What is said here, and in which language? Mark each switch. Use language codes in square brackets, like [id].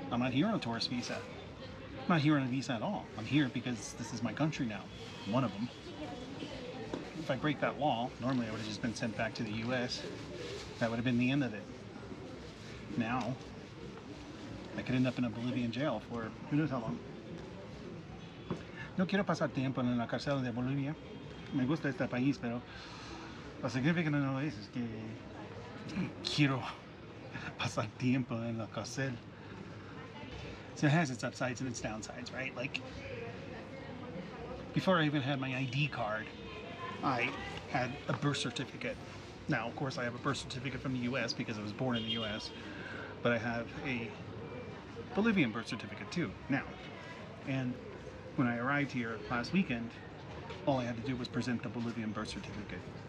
[en] I'm not here on a tourist visa. I'm not here on a visa at all. I'm here because this is my country now, one of them. If I break that law, normally I would've just been sent back to the US. That would've been the end of it. Now, I could end up in a Bolivian jail for who knows how long. [es] No quiero pasar tiempo en la cárcel de Bolivia. Me gusta este país, pero lo significante no es que quiero pasar tiempo en la cárcel. [en] So it has its upsides and its downsides, right? Like, before I even had my ID card, I had a birth certificate. Now, of course, I have a birth certificate from the U.S. because I was born in the U.S., but I have a Bolivian birth certificate too, now. And when I arrived here last weekend, all I had to do was present the Bolivian birth certificate.